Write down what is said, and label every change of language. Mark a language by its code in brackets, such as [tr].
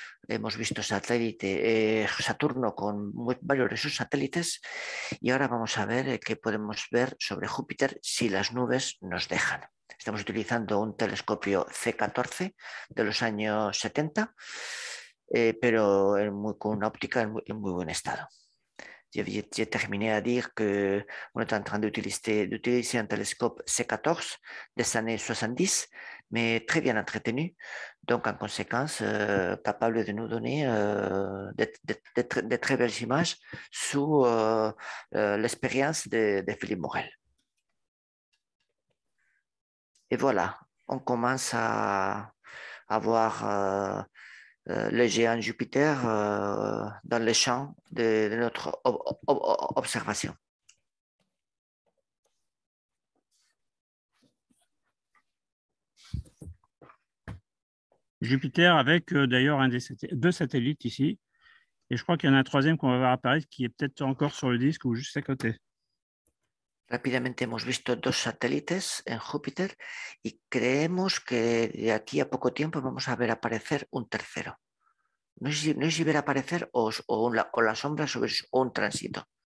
[es] Hemos visto Saturno con varios de sus satélites. Y ahora vamos a ver qué podemos ver sobre Júpiter si las nubes nos dejan. Estamos utilizando un telescopio C14 de los años 70, pero con una óptica en muy buen estado. [fr] J'ai terminé à dire qu'on est en train d'utiliser un télescope C14 des années 70, mais très bien entretenu, donc en conséquence capable de nous donner de très belles images sous l'expérience de Philippe Morel. Et voilà, on commence à avoir le géant Jupiter dans le champ de notre observation. Jupiter avec d'ailleurs deux satellites ici. Et je crois qu'il y en a un troisième qu'on va voir apparaître qui est peut-être encore sur le disque ou juste à côté. [es] Rápidamente hemos visto dos satélites en Júpiter y creemos que de aquí a poco tiempo vamos a ver aparecer un tercero. No sé si ver aparecer o la sombra sobre un tránsito.